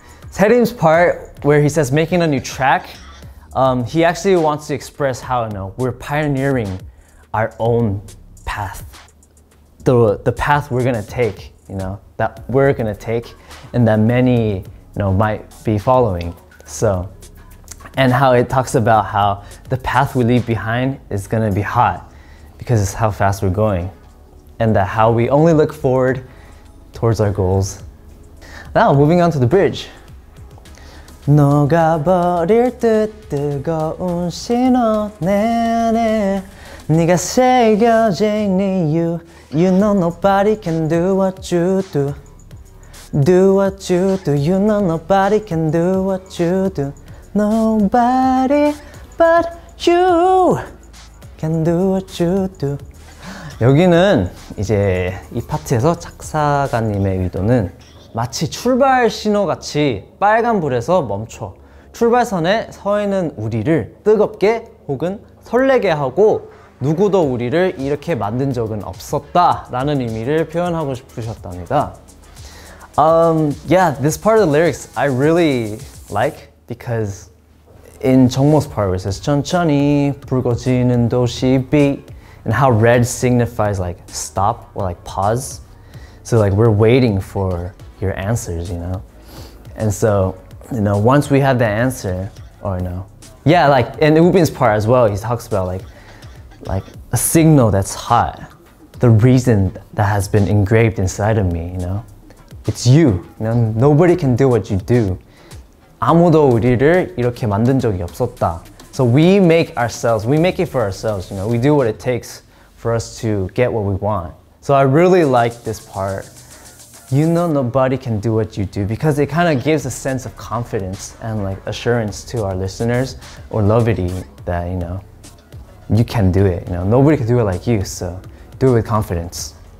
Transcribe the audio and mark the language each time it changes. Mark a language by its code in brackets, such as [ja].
[en] Selim's part where he says making a new track, he actually wants to express how, you know, we're pioneering our own path, the path we're gonna take, you know, that we're gonna take and that many, you know, might be following. So, and how it talks about how the path we leave behind is gonna be hot because it's how fast we're going, and that how we only look forward towards our goals. Now, moving on to the bridge. [ko] 너가 버릴 듯 뜨거운 신호 내내 네가 새겨진 이유. [en] You know nobody can do what you do. Do what you do. You know nobody can do what you do. Nobody but you can do what you do. [ko] 여기는 이제 이 파트에서 작사가님의 의도는 마치 출발 신호같이 빨간불에서 멈춰 출발선에 서있는 우리를 뜨겁게 혹은 설레게 하고 누구도 우리를 이렇게 만든 적은 없었다 라는 의미를 표현하고 싶으셨답니다. [en] Yeah, this part of the lyrics I really like because in 정모's part where it says [ko] 천천히 붉어지는 도시 빛, [en] and how red signifies like stop or like pause, so like we're waiting for your answers, you know? And so, you know, once we have the answer, or no. Yeah, like in Ubin's part as well, he talks about like a signal that's hot, the reason that has been engraved inside of me, you know? It's you, you know? Nobody can do what you do. [ko] 아무도 우리를 이렇게 만든 적이 없었다. [en] So we make ourselves, we make it for ourselves, you know? We do what it takes for us to get what we want. So I really like this part. You know nobody can do what you do, because it kind of gives a sense of confidence and like assurance to our listeners or lovity that, you know, you can do it, you know, nobody can do it like you, so do it with confidence.